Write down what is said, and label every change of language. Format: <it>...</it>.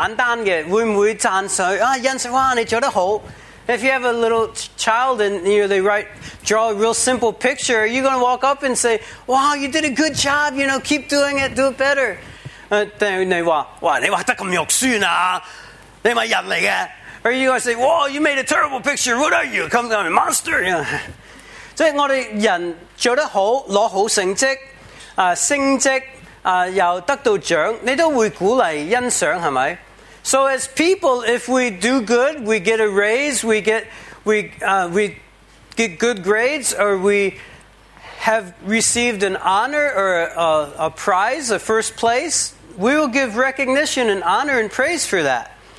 <zh>那如果我们有小朋友，我们会不会见到他画一幅画呢？就是简单的，会不会赞赏，欣赏，哇，你做得好。</zh> <en>If you have a little child and you know they write, draw a real simple picture, are you going to walk up and say, wow, you did a good job, you know, keep doing it, do it better?</en> <zh>Then你说,哇,你画得这么肉酸啊,你是人来的?</zh> <en>Or you going to say, wow, you made a terrible picture, what are you, come down, monster?</en> <zh>So 我们人做得好,拿好成绩,升职,又得到奖,你都会鼓励欣赏,是不是?</zh> <en>So as people, if we do good, we get a raise, we get good grades, or we have received an honor or a prize, a first place, we will give recognition and honor and praise for that.</en>